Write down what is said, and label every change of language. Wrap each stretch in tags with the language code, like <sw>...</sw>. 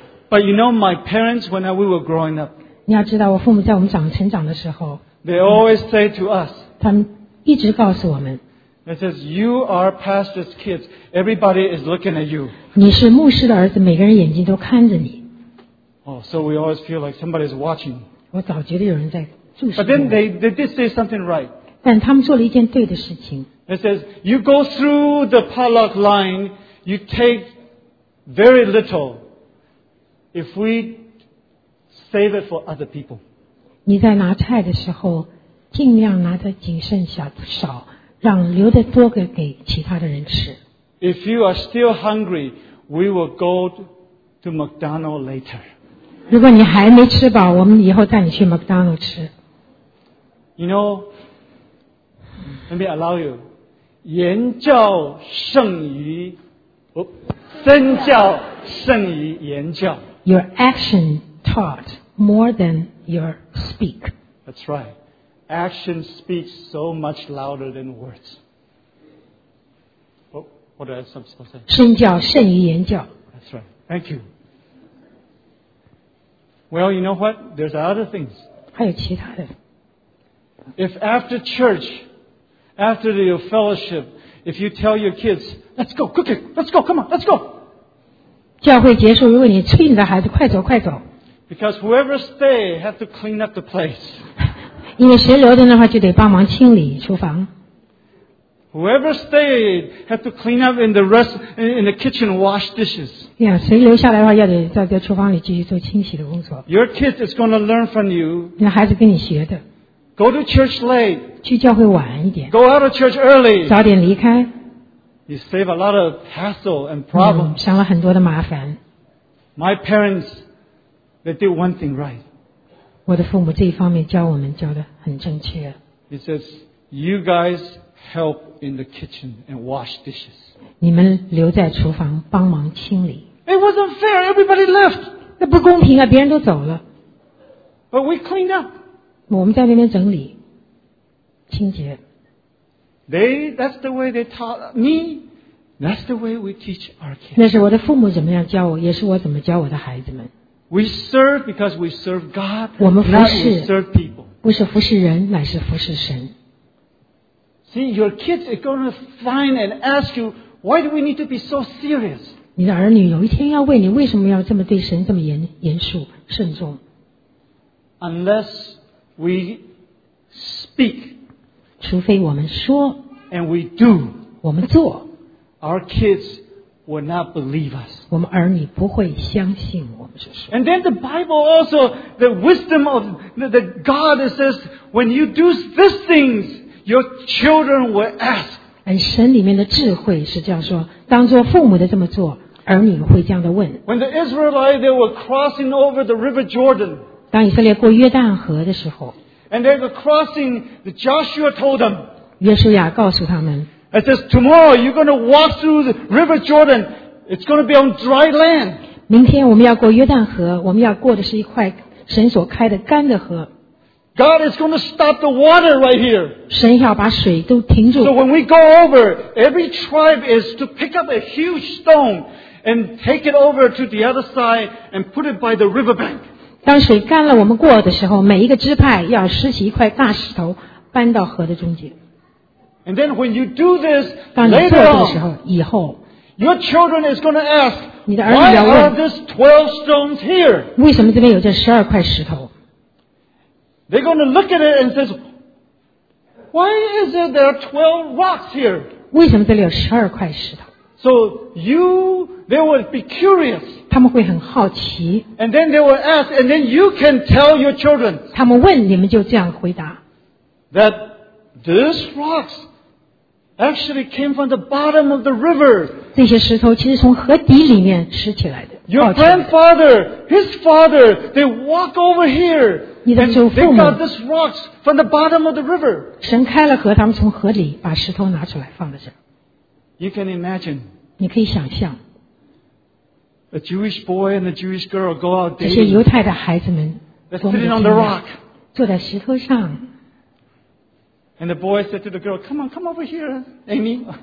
<en>But you know, my parents, when we were growing up,</en> <zh>你要知道，我父母在我们成长的时候，</zh> <en>they always say to us,</en> <zh>他们一直告诉我们，</zh> <en>they says, you are pastor's kids. Everybody is looking at you.</en> <zh>你是牧师的儿子，每个人眼睛都看着你。</zh> <en>Oh, so we always feel like somebody is watching.</en> <zh>我早觉得有人在注视我。</zh> <en>But then they did say something right.</en> <zh>但他们做了一件对的事情。</zh> <en>It says, you go through the potluck line, you take very little if we save it for other people.</en> <zh>你在拿菜的时候尽量拿的谨慎少让留的多个给其他的人吃。</zh> <en>If you are still hungry, we will go to McDonald's later.</en> <zh>如果你还没吃饱我们以后带你去 McDonald's 吃。</zh> <en>You know, let me allow you.</en> <zh>言教胜于身教胜于言教</zh> <en>Your action taught more than your speak. That's right. Action speaks so much louder than words. What did I say?</en> <zh>身教胜于言教。</zh> <en>That's right. Thank you. Well, you know what? There's other things.</en> <zh>还有其他的。</zh> <en>If after church, after your fellowship, if you tell your kids, let's go, quickly, let's go, come on, let's go.</en> <zh>教会结束，如果你催你的孩子快走，快走。</zh> <en>Because whoever stay have to clean up the place.</en> <zh>因为谁留在那块就得帮忙清理厨房。</zh> <en>Whoever stayed had to clean up in the rest in the kitchen, wash dishes. Yeah,</en> <zh>谁留下来的话，要得在厨房里继续做清洗的工作。</zh> <en>Your kid is going to learn from you.</en> <zh>你的孩子跟你学的。</zh> <en>Go to church late.</en> <zh>去教会晚一点。</zh> <en>Go out of church early.</en> <zh>早点离开。</zh> <en>You save a lot of hassle and problems.</en> <zh>省了很多的麻烦。</zh> <en>My parents, they did one thing right.</en> <zh>我的父母这一方面教我们教的很正确。</zh> <en>He says, "You guys." Help in the kitchen and wash dishes.</en> <zh>你们留在厨房帮忙清理。</zh> <en>It wasn't fair. Everybody left.</en> <zh>那不公平啊！别人都走了。</zh> <en>But we cleaned up.</en> <zh>我们在那边整理、清洁。</zh> <en>That's the way they taught me. That's the way we teach our kids.</en> <zh>那是我的父母怎么样教我，也是我怎么教我的孩子们。</zh> <en>We serve because we serve God.</en> <zh>我们服侍。</zh> <en>Not we serve people.</en> <zh>不是服侍人，乃是服侍神。</zh> <en>See, your kids are going to find and ask you, why do we need to be so serious?</en> <zh>你的儿女有一天要问你，为什么要这么对神这么严肃、慎重？</zh> <en>Unless we speak,</en> <zh>除非我们说，</zh> <en>and we do,</en> <zh>我们做，</zh> <en>our kids will not believe us.</en> <zh>我们儿女不会相信我们所说。</zh> <en>And then the Bible also, the wisdom of the God says, when you do these things,Your children will ask.</en> <zh>神里面的智慧是这样说，当做父母的这么做，儿女会这样的问。</zh> <en>When the Israelites they were crossing over the River Jordan,</en> <zh>当以色列过约旦河的时候</zh> <en>，and they were crossing, the Joshua told them.</en> <zh>约书亚告诉他们</zh> <en>，It says tomorrow you're going to walk through the River Jordan. It's going to be on dry land.</en> <zh>明天我们要过约旦河，我们要过的是一块神所开的干的河。</zh> <en>God is going to stop the water right here.</en> <zh>神要把水都停住。</zh> <en>So when we go over, every tribe is to pick up a huge stone and take it over to the other side and put it by the riverbank.</en> <zh>当水干了，我们过的时候，每一个支派要拾起一块大石头，搬到河的中间。</zh> <en>And then when you do this,</en> <zh>当你做的时候，以后</zh> <en>，your children is going to ask,</en> <zh>你的儿女要问</zh> <en>，Why are these 12 stones here?</en> <zh>为什么这边有这十二块石头？</zh> <en>They're going to look at it and say, "Why is it there are 12 rocks here?"</en> <zh>为什么这里有十二块石头</zh> <en>？So you, they will be curious.</en> <zh>他们会很好奇。</zh> <en>And then they will ask, and then you can tell your children.</en> <zh>他们问，你们就这样回答。</zh> <en>That these rocks actually came from the bottom of the river.</en> <zh>这些石头其实从河底里面拾起来的。</zh> <en>Your grandfather, his father, they walk over here.</en> <zh>你的祖父母。</zh> <en>They got these rocks from the bottom of the river.</en> <zh>神开了河，他们从河里把石头拿出来放在这儿。</zh> <en>You can imagine.</en> <zh>你可以想象。</zh> <en>A Jewish boy and a Jewish girl go out dating.</en> <zh>这些犹太的孩子们。</zh> <en>They're sitting on the rock.</en> <zh>坐在石头上。</zh> <en>And the boy said to the girl, "Come on, come over here, Amy."</en>